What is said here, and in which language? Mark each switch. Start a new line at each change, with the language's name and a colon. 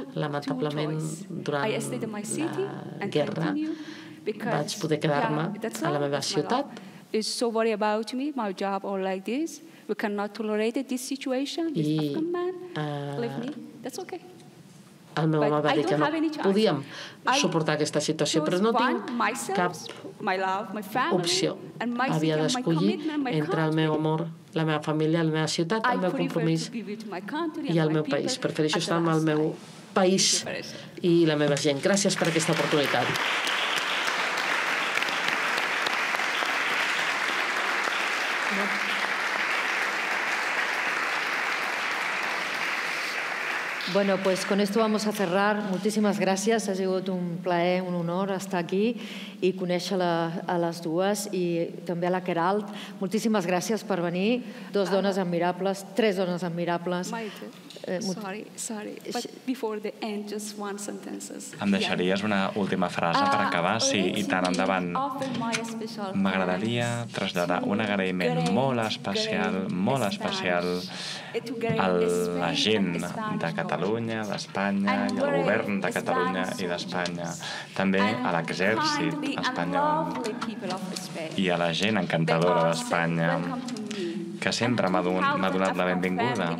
Catalan: Lamentablement, durant la guerra, vaig poder quedar-me a la meva ciutat.
English: Is so worried about me, my job, or like this. We cannot tolerate this situation. This I, Afghan man, leave me. That's okay.
Catalan: El meu home va dir que no podíem suportar aquesta situació, però no tinc cap opció. Havia d'escollir entre el meu amor, la meva família, la meva ciutat, el meu compromís i el meu país. Prefereixo estar amb el meu país i la meva gent. Gràcies per aquesta oportunitat.
Spanish: Bueno, pues con esto vamos a cerrar.
Catalan: Moltíssimes gràcies. Ha sigut un plaer, un honor estar aquí i conèixer a les dues i també a la Queralt. Moltíssimes gràcies per venir. Dos dones admirables, tres dones admirables.
English: Before the end, just one sentence.
Catalan: Em deixaries una última frase per acabar? Sí, i tant, endavant. M'agradaria traslladar un agraïment molt especial a la gent de Catalunya, d'Espanya, i al govern de Catalunya i d'Espanya, també a l'exèrcit espanyol i a la gent encantadora d'Espanya, que sempre m'ha donat la benvinguda.